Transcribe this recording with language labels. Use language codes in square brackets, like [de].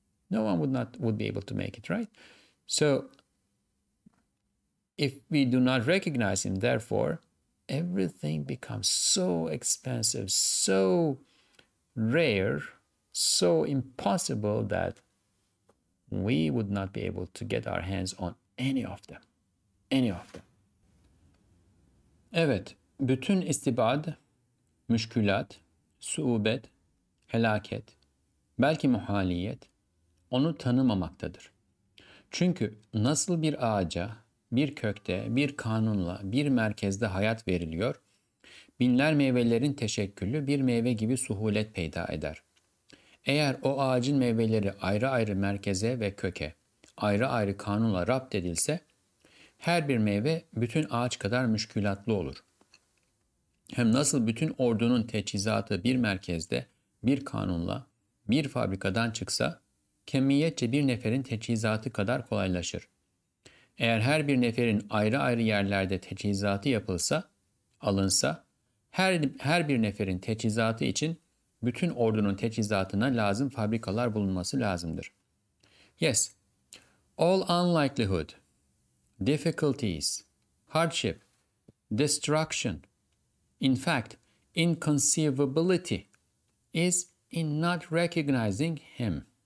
[en] No one would be able to make it, right? So if we do not recognize him, therefore, everything becomes so expensive, so rare, so impossible that we would not be able to get our hands on any of them. Any of them. [tr] Evet, bütün istibad, müşkülat, suubet, helaket, belki muhaliyet, onu tanımamaktadır. Çünkü nasıl bir ağaca, bir kökte, bir kanunla, bir merkezde hayat veriliyor, binler meyvelerin teşekkülü bir meyve gibi suhulet peyda eder. Eğer o ağacın meyveleri ayrı ayrı merkeze ve köke, ayrı ayrı kanunla rapt edilse, her bir meyve bütün ağaç kadar müşkülatlı olur. Hem nasıl bütün ordunun teçhizatı bir merkezde, bir kanunla, bir fabrikadan çıksa, kemiyetçe bir neferin teçhizatı kadar kolaylaşır. Eğer her bir neferin ayrı ayrı yerlerde teçhizatı yapılsa, alınsa, her bir neferin teçhizatı için bütün ordunun teçhizatına lazım fabrikalar bulunması lazımdır. [en] Yes, all unlikelihood, difficulties, hardship, destruction, in fact, inconceivability is in not recognizing him.